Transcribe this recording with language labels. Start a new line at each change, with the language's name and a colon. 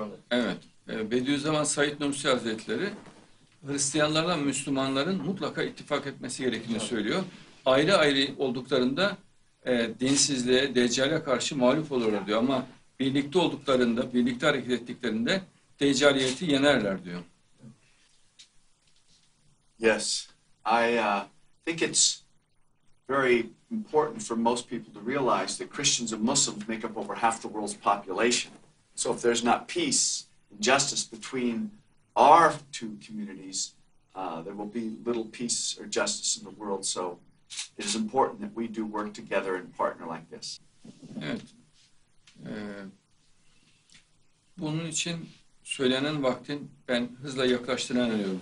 Turkish: Evet. Bediüzzaman Said Nursi Hazretleri Hristiyanlarla Müslümanların mutlaka ittifak etmesi gerektiğini söylüyor. Ayrı ayrı olduklarında dinsizliğe, deccale karşı mağlup olurlar diyor. Ama birlikte olduklarında, birlikte hareket ettiklerinde deccaliyeti yenerler diyor.
English: Yes, I think it's very important for most people to realize that Christians and Muslims make up over half the world's population. So if there's not peace and justice between our two communities, there will be little peace or justice in the world. So it is important that we do work together and partner like this.
Turkish: Evet. Bunun için söylenen vaktin ben hızla yaklaştığına inanıyorum.